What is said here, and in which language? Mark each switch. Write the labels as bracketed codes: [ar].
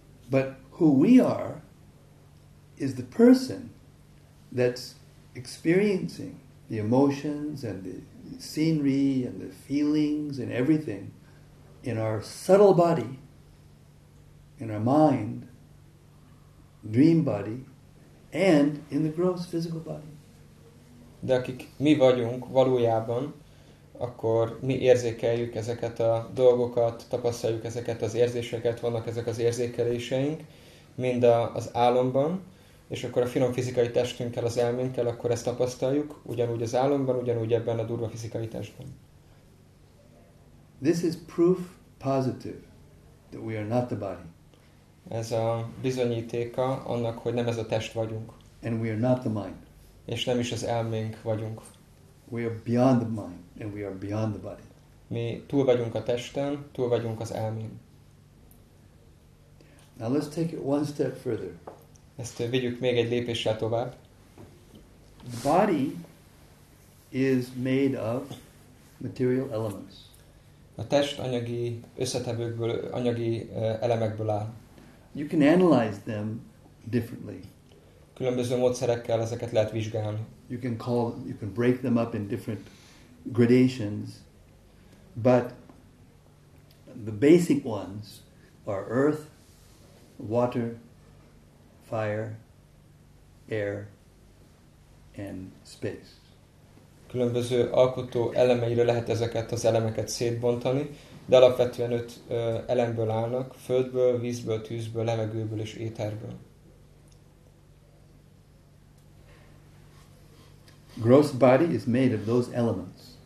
[en] But who we are is the person that's experiencing the emotions and the scenery and the feelings and everything in our subtle body, in our mind, dream body, and in the gross physical body. [hu] De akik mi vagyunk valójában, akkor mi érzékeljük ezeket a dolgokat, tapasztaljuk ezeket az érzéseket, vannak ezek az érzékeléseink, mind az álomban, és akkor a finom fizikai testünkkel, az elménkkel, akkor ezt tapasztaljuk, ugyanúgy az álomban, ugyanúgy ebben a durva fizikai testben. [en] This is proof positive that we are not the body. [hu] Ez a bizonyítéka annak, hogy nem ez a test vagyunk. [en] And we are not the mind. [hu] És nem is az elménk vagyunk. [en] We are beyond the mind and we are beyond the body. [hu] Mi túl vagyunk a testen, túl vagyunk az elmén. [en] Now let's take it one step further. [hu] Ezt vigyük még egy lépéssel tovább. [en] The body is made of material elements. [hu] A test anyagi összetevőkből, anyagi elemekből áll. [en] You can analyze them differently. [hu] Különböző módszerekkel ezeket lehet vizsgálni. [en] You can break them up in different gradations, but the basic ones are earth, water, fire, air, and space. [hu] Különböző alkotó elemeire lehet ezeket az elemeket szétbontani, de alapvetően öt elemből állnak: földből, vízből, tűzből, levegőből és éterből. [en] Gross body is made of those elements.